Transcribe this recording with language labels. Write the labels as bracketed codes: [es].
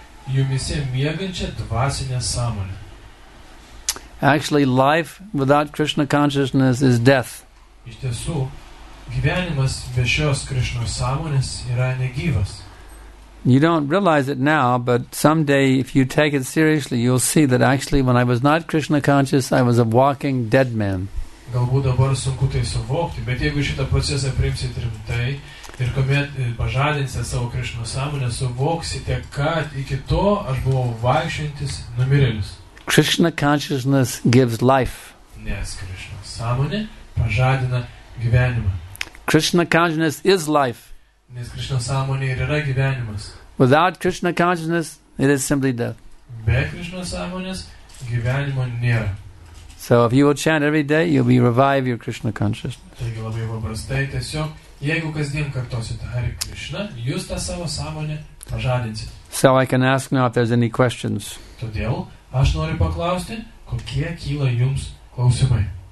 [lt] Jumise mėgančia dvasinė sąmonė. [en] Actually, life without Krishna consciousness is death. [lt] Iš tiesų, gyvenimas be šios Krishna sąmonės yra negyvas. [en] You don't realize it now, but someday if you take it seriously, you'll see that actually when I was not Krishna conscious, I was a walking dead man. [lt] Galbūt dabar sunku tai suvokti, bet jeigu šitą procesą priimsit rimtai, ir kuomet pažadinsite savo Krishna sąmonę, suvoksite, kad iki to aš buvau vaikščiantis numirėlis. [en] Krishna consciousness gives life. [lt] Nes Krishna sąmonė pažadina gyvenimą. [en] Krishna consciousness is life. [lt] Nes Krishna sąmonė ir yra gyvenimas. [en] Without Krishna consciousness, it is simply death. [lt] Be Krishna sąmonės gyvenimo nėra. [en] So if you will chant every day, you'll be revive your Krishna consciousness. [lt] Taigi labai paprastai tiesiog, jeigu kasdien kartosite Hare Krishna, jūs tą savo sąmonę pažadinsite. [en] So I can ask now if there's any questions. [lt] Todėl aš noriu paklausti, kokie kyla jums klausimai.